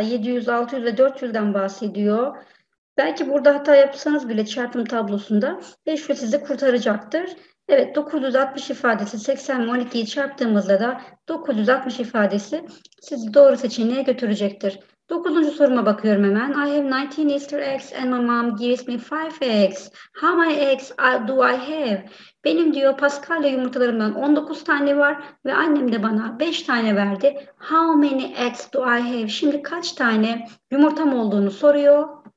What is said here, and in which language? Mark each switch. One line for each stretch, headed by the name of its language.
Turkish: 700, 600 ve 400'den bahsediyor. Belki burada hata yapsanız bile çarpım tablosunda 500 sizi kurtaracaktır. Evet, 960 ifadesi 80 ve 12'yi çarptığımızda da 960 ifadesi sizi doğru seçeneğe götürecektir. 9. soruma bakıyorum hemen.
English: I have 19 Easter eggs and my mom gives me 5 eggs. How many eggs do I have?
Turkish: Benim diyor Paskalya yumurtalarımdan 19 tane var ve annem de bana 5 tane verdi.
English: How many eggs do I have?
Turkish: Şimdi kaç tane yumurtam olduğunu soruyor.